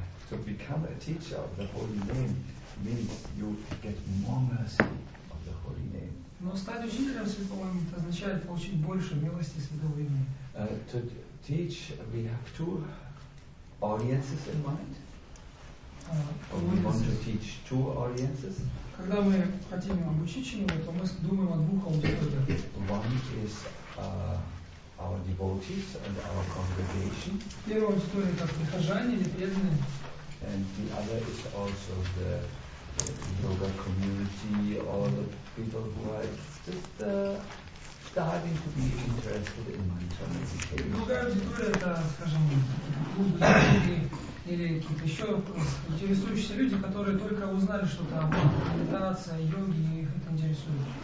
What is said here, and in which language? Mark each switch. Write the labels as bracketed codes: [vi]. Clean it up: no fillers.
[en] To become a teacher of the Holy Name means you get more mercy of the Holy Name. [ru] Но стать учителем святого имени означает получить больше милости святого имени. [en] To teach, we have two audiences in mind. We want to teach two audiences. [ru] Когда мы хотим обучить чему-то, то мы думаем о двух аудиториях. [en] One is our devotees and our congregation. [ru] Первая аудитория — это прихожане или преданные. [en] And the other is also the yoga community, all the people who are just starting to be interested in mindful meditation. [ru] Другая аудитория — это, скажем, люди или какие-то еще интересующиеся люди, которые только узнали что-то о медитации, йоге, и их это интересует.